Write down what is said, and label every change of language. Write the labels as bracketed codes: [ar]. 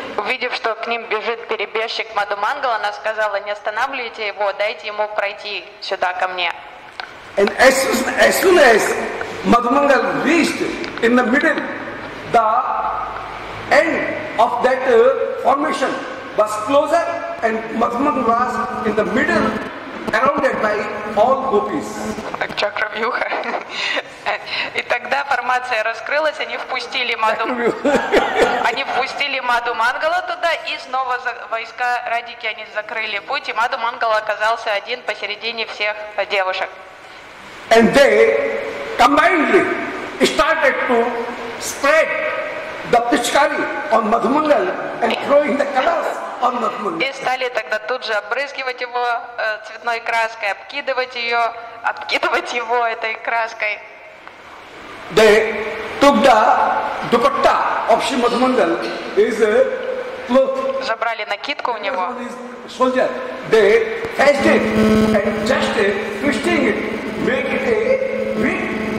[ru] Увидев, что к ним бежит перебежчик Мадхумангал, она сказала: не останавливайте его, дайте ему пройти сюда ко мне. [en] And as soon as Madhumangal reached in the middle, the end of that formation was closer, and Madhumangal was in the middle, surrounded by all gopis. Like Chakravyuha. [ru] И тогда формация раскрылась, они впустили Маду Мангала туда, и снова войска Радики они закрыли путь, и Маду Мангал оказался один посередине всех девушек. [en] And they combinedly started to spread the pichkari on Madhu Mangal and throwing the colors. [ru] И стали тогда тут же обрызгивать его цветной краской, обкидывать его этой краской. [en] They took the dupatta of Shri Madhumangal, his cloth. [ru] Забрали накидку у него. [en] Soldier, they fetched it and just twisting it, make it a wig.